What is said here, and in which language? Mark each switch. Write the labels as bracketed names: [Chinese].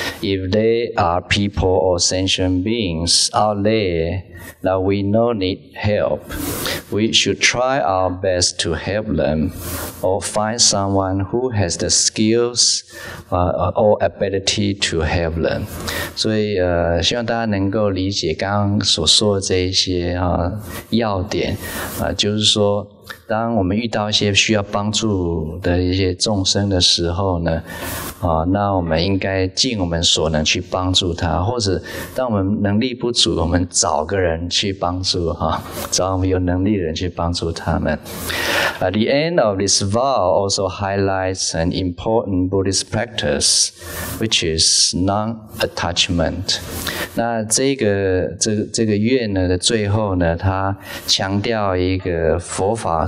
[English] If they are people or sentient beings out there that we know need help, we should try our best to help them or find someone who has the skills or ability to help them. [Chinese] 所以希望大家能够理解刚刚所说的这一些要点就是说当我们遇到一些需要帮助的一些众生的时候呢，那我们应该尽我们所能去帮助他，或者当我们能力不足，我们找个人去帮助哈，找我们有能力的人去帮助他们。 [English] The end of this vow also highlights an important Buddhist practice, which is non-attachment. [Chinese] 那这个愿呢的最后呢，它强调一个佛法。